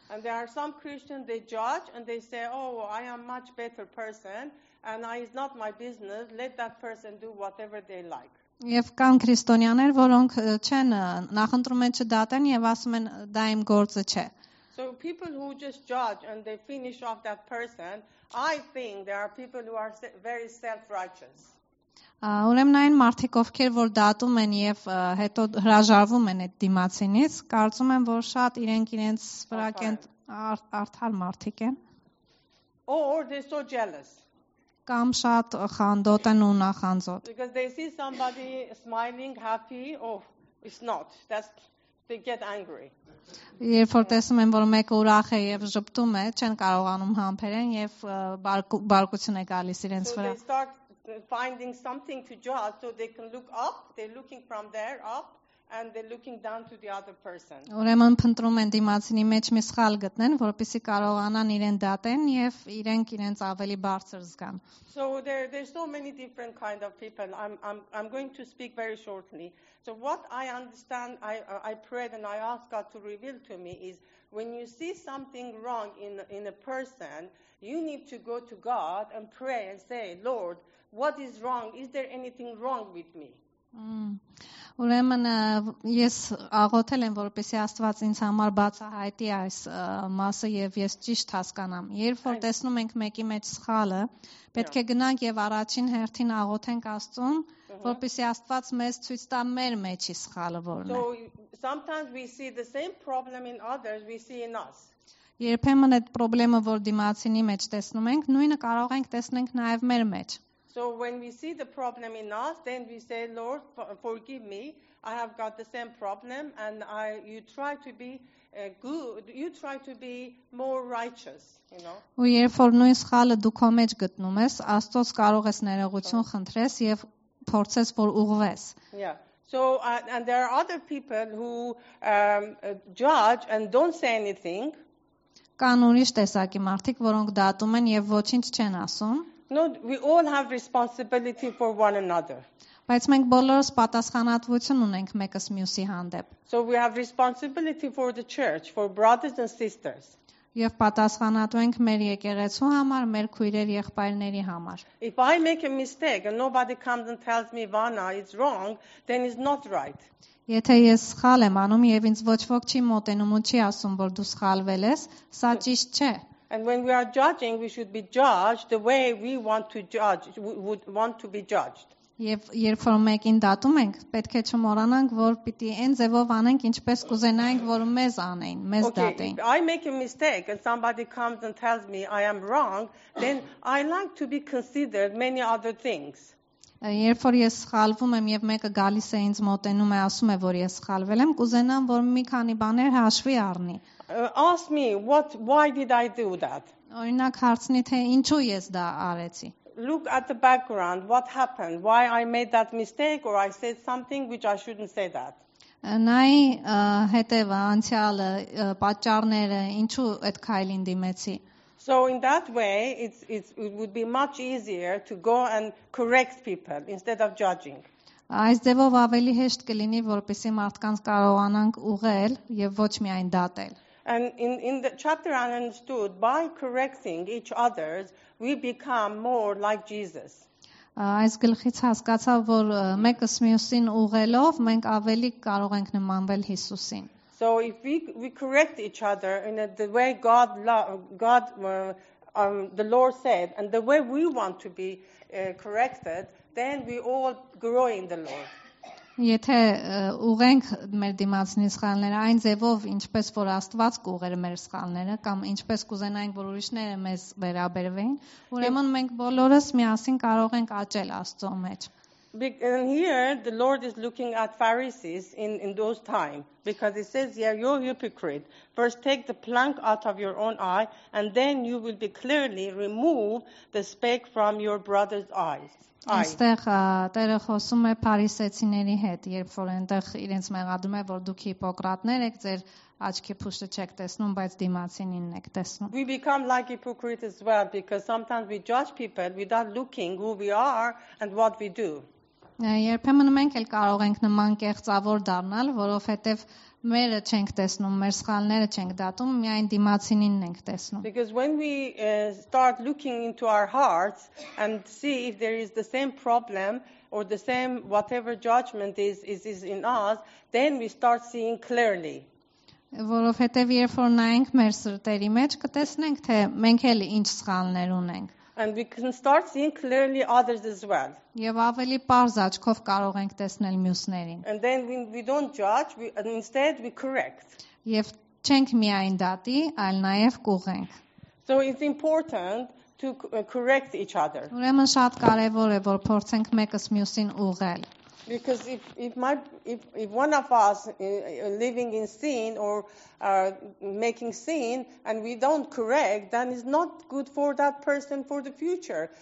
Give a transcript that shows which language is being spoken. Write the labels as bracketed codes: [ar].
[en] And there are some Christians they judge and they say oh I am much better person. And I is not my business. Let that person do whatever they like. [hy] Եվ կան քրիստոնյաներ, որոնք չեն նախընտրում են չդատեն եւ ասում են դա իմ գործը չէ. [en] So people who just judge and they finish off that person, I think there are people who are very self-righteous. [hy] Ուրեմն այն մարդիկ, ովքեր որ դատում են եւ հետո հրաժարվում են այդ դիմացինից, կարծում եմ, որ շատ իրենք իրենց վրա կենտ արդար մարդիկ են. [en] Or they're so jealous. [hy] Կամ շատ խանդոտ են ու նախանձոտ։ [en] Because they see somebody smiling, happy, oh, it's not. That's they get angry. [hy] Երբ որ տեսնում են, որ մեկը ուրախ է եւ ժպտում է, չեն կարողանում համբերեն եւ բարկություն է գալիս իրենց վրա։ [en] So they start finding something to judge so they can look up. They're looking from there up and they're looking down to the other person. [hy] Ուրեմն փնտրում են դիմացինի մեջ մի սխալ գտնեն, որպեսզի կարողանան իրեն դատեն եւ իրենք իրենց ավելի բարձր զգան։ [en] So there's so many different kind of people. I'm going to speak very shortly. So what I understand, I prayed and I asked God to reveal to me is when you see something wrong in a person, you need to go to God and pray and say, Lord, what is wrong? Is there anything wrong with me? [hy] Ուրեմն ես աղոթել եմ որպեսի Աստված ինձ համար բացահայտի այս մասը եւ ես ճիշտ հասկանամ երբ որ տեսնում ենք մեկի մեջ սխալը պետք է գնանք եւ առաջին հերթին աղոթենք Աստծուն որպեսի Աստված մեզ ցույց տա մեր մեջի սխալը որն է [en] So sometimes we see the same problem in others we see in us [hy] Երբեմն այդ խնդրը որ դիմացինի մեջ տեսնում ենք նույնը կարող ենք տեսնենք նաեւ մեր մեջ [en] So when we see the problem in us, then we say, Lord, forgive me. I have got the same problem. And you try to be good. You try to be more righteous, you know. [hy] Երբ որ նույն սխալը դու քո մեջ գտնում ես, Աստծոս կարող ես ներողություն խնդրես եւ փորձես որ ուղղվես. [en] Yeah. So and there are other people who judge and don't say anything. [hy] Կան ուրիշ տեսակի մարդիկ, որոնք դատում են եւ ոչինչ չեն ասում. [en] No, we all have responsibility for one another. [hy] Բայց մենք բոլորս պատասխանատվություն ունենք մեկս մյուսի հանդեպ. [en] So we have responsibility for the church, for brothers and sisters. [hy] Եվ պատասխանատու ենք մեր եկեղեցու համար, մեր քույրեր եղբայրների համար. [en] If I make a mistake and nobody comes and tells me, Vanna, it's wrong, then it's not right. [hy] Եթե ես սխալ եմ անում եւ ինձ ոչ ոք չի մոտենում ու չի ասում, որ դու սխալվել ես, սա ճիշտ չէ։ [en] And when we are judging, we should be judged the way we want to judge, would want to be judged. [hy] Եվ երբ որ մեկին դատում ենք, պետք է չմոռանանք, որ պիտի այն ձևով անենք, ինչպես կուզենայինք, որ մեզ անեն, մեզ դատեն։ [en] Okay, I make a mistake and somebody comes and tells me I am wrong, then I like to be considered many other things. [hy] Երբ որ ես սխալվում եմ եւ մեկը գալիս է ինձ մոտենում է ասում է որ ես սխալվել եմ կուզենամ որ մի քանի բաներ հաշվի առնի [en] Ask me what why did I do that [hy] Օրինակ հարցնի թե ինչու ես դա արեցի [en] Look at the background what happened why I made that mistake or I said something which I shouldn't say that [hy] Նայ հետեւը անցյալը պատճառները ինչու այդ քայլին դիմեցի [en] So in that way it would be much easier to go and correct people instead of judging. [hy] Այս ձևով ավելի հեշտ կլինի, որպեսզի մարդկանց կարողանանք ուղղել եւ ոչ միայն դատել։ [en] And in the chapter I understood, by correcting each other, we become more like Jesus. [hy] Այս գլխից հասկացա, որ մեկս մյուսին ուղելով մենք ավելի կարող ենք նմանվել Հիսուսին. [en] So if we correct each other in the way the Lord said, and the way we want to be corrected, then we all grow in the Lord. [hy] Եթե ուղենք մեր դիմացնի սխալները այն ձևով, ինչպես որ Աստված կուղեր մեր սխալները, կամ ինչպես կուզենայինք, որ ուրիշները մեզ վերաբերվեին, ուրեմն մենք բոլորս միասին կարող ենք աճել Աստծո մեջ. [en] And here the Lord is looking at Pharisees in those times, because he says, yeah, you hypocrite, first take the plank out of your own eye, and then you will be clearly remove the speck from your brother's eyes. [hy] Այստեղ Տերը խոսում է Փարիսեցիների հետ, երբ որ այնտեղ իրենց մեղադրում է, որ դուք հիպոկրատներ եք, ձեր աչքի փուշը չեք տեսնում, բայց դիմացինին եք տեսնում. [en] We become like hypocrites as well, because sometimes we judge people without looking who we are and what we do. [hy] Երբեմն մենք էլ կարող ենք նման կեղծավոր դառնալ, որովհետև մերը չենք տեսնում, մեր սխալները չենք դատում, միայն դիմացինին ենք տեսնում. [en] Because when we start looking into our hearts and see if there is the same problem or the same whatever judgment is in us, then we start seeing clearly. [hy] Որովհետև երբ որ նայենք մեր սրտերի մեջ, կտեսնենք, թե մենք էլ ինչ սխալներ ունենք. [en] And we can start seeing clearly others as well. [hy] Եվ ավելի պարզ աչքով կարող ենք տեսնել մյուսներին. [en] And then we don't judge, instead we correct. [hy] Եվ չենք միայն դատի, այլ նաև կուղենք. [en] So it's important to correct each other. [hy] Ուրեմն շատ կարևոր է, որ փորձենք մեկս մյուսին ուղել. [en] Because if one of us living in sin or making sin and we don't correct, then it's not good for that person for the future.